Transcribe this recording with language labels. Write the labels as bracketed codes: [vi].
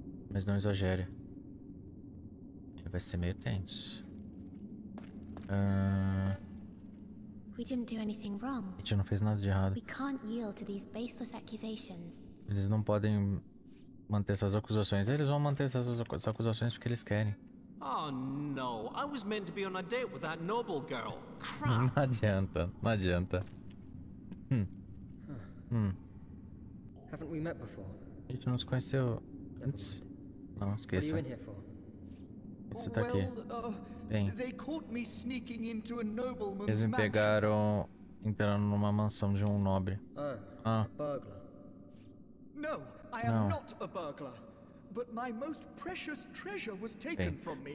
[pt] Mas não exagere. Ele vai ser meio tenso. A gente não fez nada de errado. Eles não podem manter essas acusações. Eles vão manter essas acusações porque eles querem. [en] Oh, no. I was meant to be on a date with that noble girl. Crap. [pt] Não adianta. Não adianta. [en] Haven't we met before? [pt] A gente não se conheceu antes. Não, esqueça. Você tá aqui. Bem. [en] They caught me sneaking into a nobleman's mansion. [pt] Eles me pegaram entrando numa mansão de um nobre. [en] Ah. Burglar. No. I am not a burglar, but my most precious treasure was taken from me.